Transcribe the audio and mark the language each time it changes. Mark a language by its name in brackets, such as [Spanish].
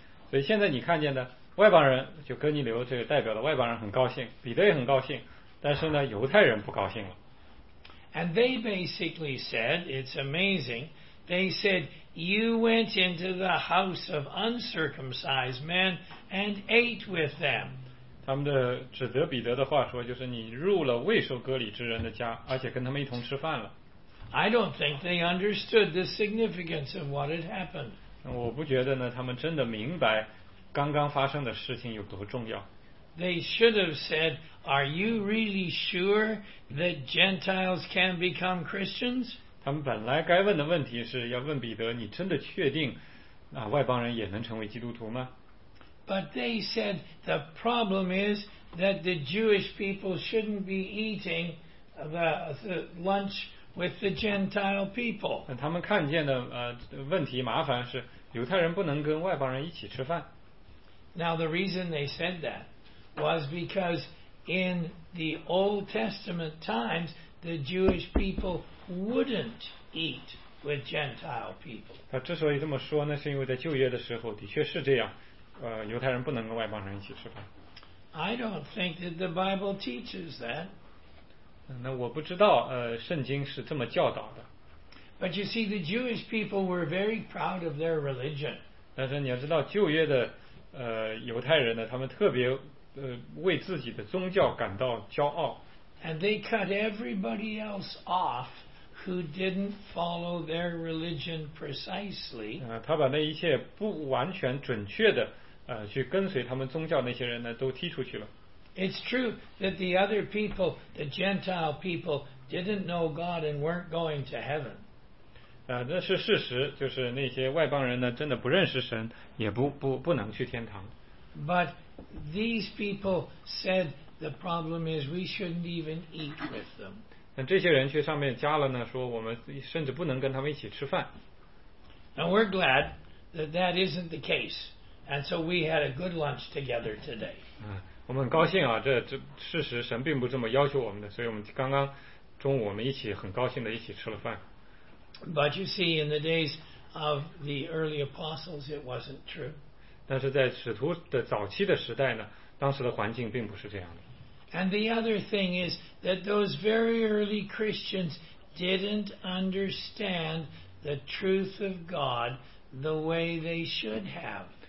[Chinese] 所以现在你看见的外邦人就哥尼流这个代表的外邦人很高兴，彼得也很高兴，但是呢，犹太人不高兴了。 [English] And they basically said, it's amazing, they said, you went into the house of uncircumcised men and ate with them. [Chinese] 他们的指责彼得的话说就是你入了未受割礼之人的家而且跟他们一同吃饭了。 [English] I don't think they understood the significance of what had happened. [Chinese] 我不觉得呢他们真的明白刚刚发生的事情有多重要。 [English] They should have said, Are you really sure that Gentiles can become Christians? [Chinese] 他们本来该问的问题是要问彼得，你真的确定啊外邦人也能成为基督徒吗？ [English] But they said the problem is that the Jewish people shouldn't be eating the lunch with the Gentile people. [Chinese] 他们看见的问题麻烦是犹太人不能跟外邦人一起吃饭。 [English] Now the reason they said that. Was because in the Old Testament times, the Jewish people wouldn't eat with Gentile people. [Chinese] 他之所以这么说呢，是因为在旧约的时候的确是这样，犹太人不能跟外邦人一起吃饭。 [English] I don't think that the Bible teaches that. [Chinese] 那我不知道，圣经是这么教导的。 [English] But you see, the Jewish people were very proud of their religion. [Chinese] 但是你要知道，旧约的犹太人呢，他们特别。为自己的宗教感到骄傲。 [English] And they cut everybody else off who didn't follow their religion precisely. [Chinese] 他把那一切不完全准确的去跟随他们宗教那些人呢都踢出去了。 [English] It's true that the other people, the Gentile people, didn't know God and weren't going to heaven. [Chinese] 那是事实，就是那些外邦人呢真的不认识神，也不能去天堂。 [English] But these people said the problem is we shouldn't even eat with them. [Chinese] 但这些人却上面加了呢，说我们甚至不能跟他们一起吃饭。 [English] Now we're glad that that isn't the case And so we had a good lunch together today. [Chinese] 我们很高兴啊，这事实神并不这么要求我们的，所以我们刚刚中午我们一起很高兴的一起吃了饭。 [English] But you see, in the days of the early apostles, it wasn't true. [Chinese] 但是在使徒的早期的时代呢，当时的环境并不是这样的。 [English] And the other thing is that those very early Christians didn't understand the truth of God the way they should have.